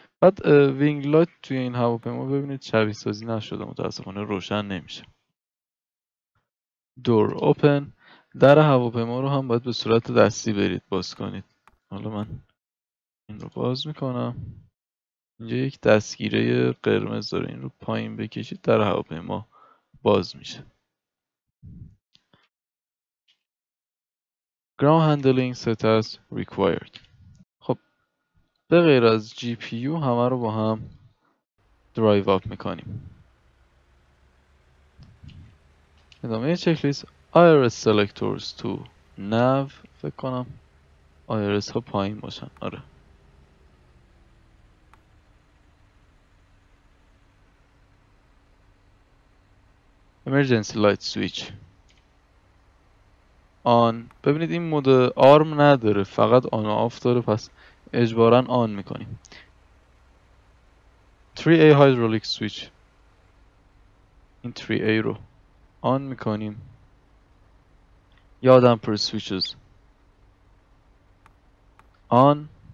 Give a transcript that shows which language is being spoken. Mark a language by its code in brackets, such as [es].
[fa] بعد وینگ لایت توی این هواپیما ببینید شبیه سازی نشده، متاسفانه روشن نمیشه. دور اوپن. در هواپیما رو هم باید به صورت دستی برید باز کنید. حالا من این رو باز میکنم. اینجا یک دستگیره قرمز داره، این رو پایین بکشید در هواپیما باز میشه. [en] ground handling set as required. [fa] خب به غیر از GPU همه رو با هم درایو اپ میکنیم. ادامه چک لیست [en] IRS selectors [fa] تو nav فکر کنم IRS ها پایین باشن. آره [en] emergency light switch [fa] آن. ببینید این مود آرم نداره، فقط آن و آف داره، پس اجبارا آن میکنیم. 3A hydraulic switch، این 3A رو آن میکنیم. یا دمپر سویچز آن.